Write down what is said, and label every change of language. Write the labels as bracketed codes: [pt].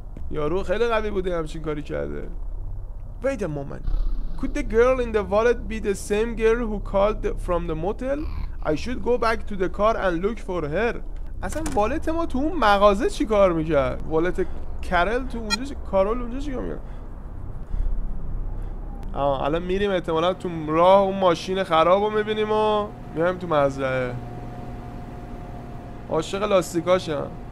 [fa] یارو خیلی قوی بوده همچین کاری کرده. [en] Wait a moment. Could the girl in the wallet be the same girl who called from the motel? I should go back to the car and look for her. [fa] اصلا والت ما تو اون مغازه چی کار میکرد؟ والت کارل تو اونجا کارول اونجا چی کار میکرد؟ آه الان میریم احتمالا تو راه اون ماشین خراب رو میبینیم و میایم تو مزرعه. عاشق لاستیکاشم.